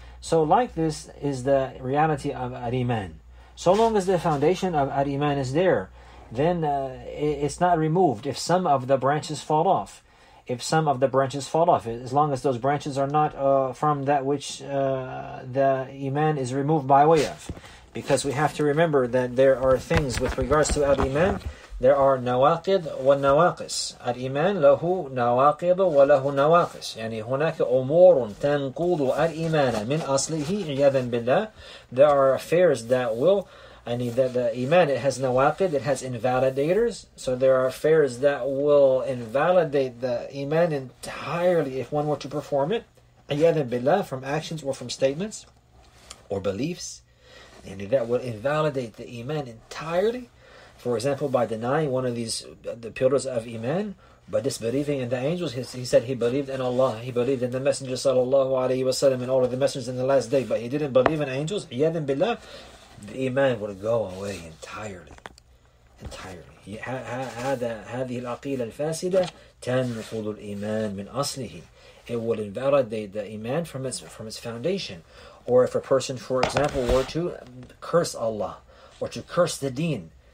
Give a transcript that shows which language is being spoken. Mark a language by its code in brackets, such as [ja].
[en] So like this is the reality of al-iman. So long as the foundation of al-iman is there, then it's not removed if some of the branches fall off. If some of the branches fall off, as long as those branches are not from that which the iman is removed by way of. Because we have to remember that there are things with regards to al-iman. There are [ar] نواقض والنواقص. الإيمان له نواقض وله نواقص. يعني هناك أمور تنقض الإيمان من أصله عياذا بالله. [en] There are affairs that will, the iman, it has نواقض, it has invalidators. So there are affairs that will invalidate the iman entirely if one were to perform it [ar] عياذا بالله, [en] from actions or from statements or beliefs. And that will invalidate the iman entirely. For example, by denying one of these, the pillars of iman, by disbelieving in the angels, he said he believed in Allah, he believed in the Messenger sallallahu alaihi wasallam, and all of the messengers in the last day, but he didn't believe in angels, iyadhan billah, the iman would go away entirely. Entirely. [ar] هذه العقيلة الفاسدة تنفض الإيمان من أصله. [en] It would invalidate the iman from its foundation. Or if a person, for example, were to curse Allah, or to curse the deen,